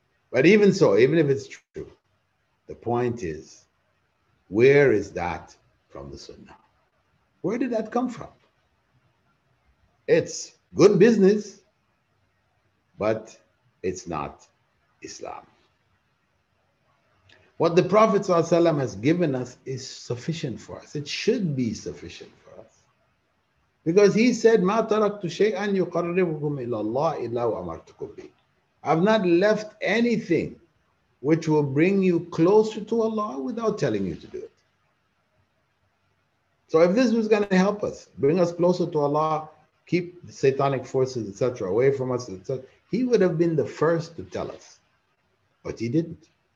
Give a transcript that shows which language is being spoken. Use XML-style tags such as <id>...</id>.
<en>But even so, even if it's true, the point is, where is that from the Sunnah? Where did that come from? It's good business, but it's not Islam. What the Prophet ﷺ has given us is sufficient for us. It should be sufficient for us. Because he said,</en> <ar>مَا تَرَكْتُ شَيْئًا يُقَرِّبُكُمْ إِلَى اللَّهِ إِلَّا وَأَمَرْتُكُمْ بِهِ.</ar> <en>I've not left anything which will bring you closer to Allah without telling you to do it. So if this was going to help us, bring us closer to Allah, keep the satanic forces, etc., away from us, etc., he would have been the first to tell us. But he didn't.</en>